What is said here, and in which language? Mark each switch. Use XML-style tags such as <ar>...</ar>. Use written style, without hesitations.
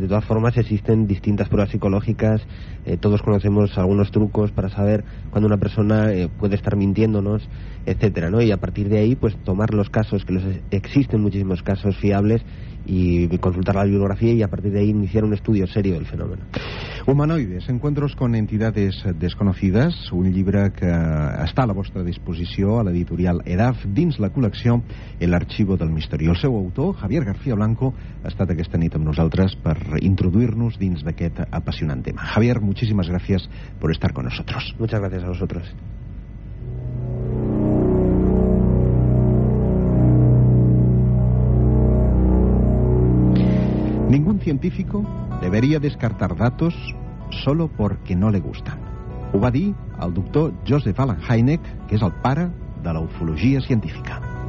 <es>De todas formas, existen distintas pruebas psicológicas, todos conocemos algunos trucos para saber cuando una persona puede estar mintiéndonos, etcétera, ¿no? Y a partir de ahí, pues tomar los casos, que existen muchísimos casos fiables, y consultar la bibliografía y a partir de ahí iniciar un estudio serio del fenómeno.</es> <ca>Humanoides, encuentros con entidades desconocidas, un llibre que està a la vostra disposició a l'editorial EDAF, dins la col·lecció El Archivo del Misteri. El seu autor, Javier García Blanco, ha estat aquesta nit amb nosaltres per introduir-nos dins d'aquest apassionant tema.</ca> <es>Javier, muchísimas gracias por estar con nosotros. Muchas gracias a vosotros. Ningún científico debería descartar datos solo porque no le gustan.</es> <ca>Ho va dir el doctor Joseph Allan Hynek, que és el pare de la ufologia científica.</ca>